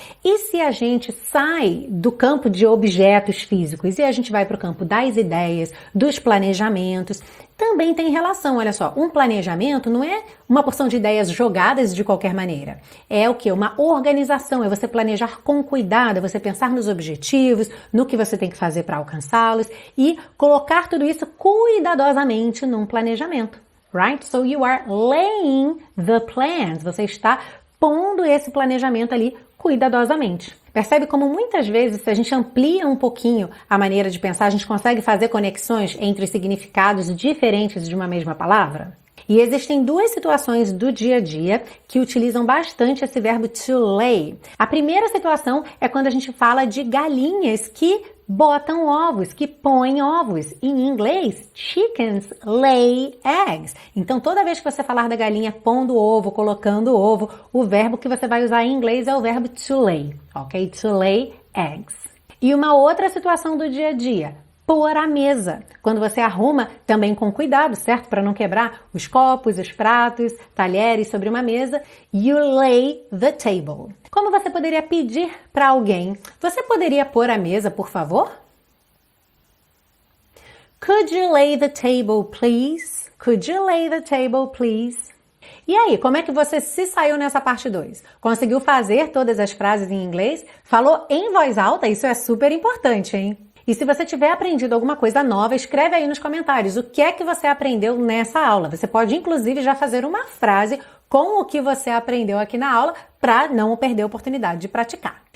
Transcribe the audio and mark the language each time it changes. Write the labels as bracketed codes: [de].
[pt] E se a gente sai do campo de objetos físicos e a gente vai para o campo das ideias, dos planejamentos, também tem relação, olha só, um planejamento não é uma porção de ideias jogadas de qualquer maneira, é o quê? Uma organização, é você planejar com cuidado, é você pensar nos objetivos, no que você tem que fazer para alcançá-los e colocar tudo isso cuidadosamente num planejamento. [en] Right? So you are laying the plans. [pt] Você está pondo esse planejamento ali cuidadosamente. Percebe como muitas vezes, se a gente amplia um pouquinho a maneira de pensar, a gente consegue fazer conexões entre significados diferentes de uma mesma palavra? E existem duas situações do dia a dia que utilizam bastante esse verbo to lay. A primeira situação é quando a gente fala de galinhas que botam ovos, que põem ovos. Em inglês, [en] chickens lay eggs. [pt] Então, toda vez que você falar da galinha pondo ovo, colocando ovo, o verbo que você vai usar em inglês é o verbo to lay, ok? [en] To lay eggs. [pt] E uma outra situação do dia a dia, pôr à mesa. Quando você arruma, também com cuidado, certo? Para não quebrar os copos, os pratos, talheres sobre uma mesa. [en] You lay the table. [pt] Como você poderia pedir para alguém? Você poderia pôr à mesa, por favor? [en] Could you lay the table, please? Could you lay the table, please? [pt] E aí, como é que você se saiu nessa parte 2? Conseguiu fazer todas as frases em inglês? Falou em voz alta? Isso é super importante, hein? E se você tiver aprendido alguma coisa nova, escreve aí nos comentários o que é que você aprendeu nessa aula. Você pode, inclusive, já fazer uma frase com o que você aprendeu aqui na aula para não perder a oportunidade de praticar.